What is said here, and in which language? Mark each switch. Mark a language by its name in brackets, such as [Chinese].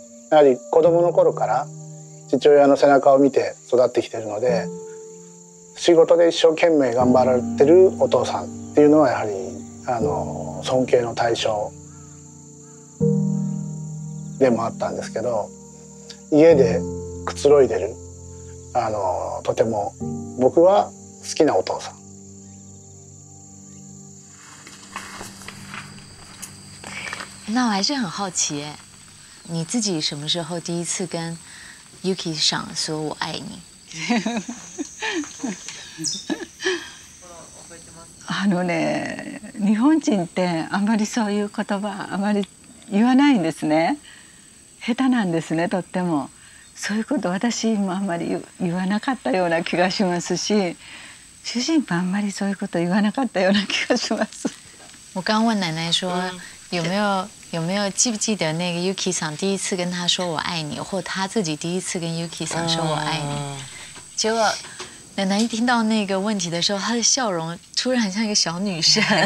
[Japanese] やはり子供の頃から父親の背中を見て育ってきているので、仕事で一生懸命頑張られてるお父さんっていうのはやはりあの尊敬の対象でもあったんですけど、家でくつろいでる、あのとても僕は好きなお父さん。 [Chinese] 那我还是很好奇耶，你自己什么时候第一次跟Yuki 想说我爱你。 [Japanese] あのね、日本人ってあんまりそういう言葉あまり言わないんですね。下手なんですね、とっても。そういうこと私もあんまり言わなかったような気がしますし、主人もあんまりそういうこと言わなかったような気がします。 [Chinese] 我刚问奶奶说有没有。有没有记不记得那个 Yuki 桑第一次跟他说我爱你，或他自己第一次跟 Yuki 桑说我爱你？结果奶奶一听到那个问题的时候，她的笑容突然像一个小女生。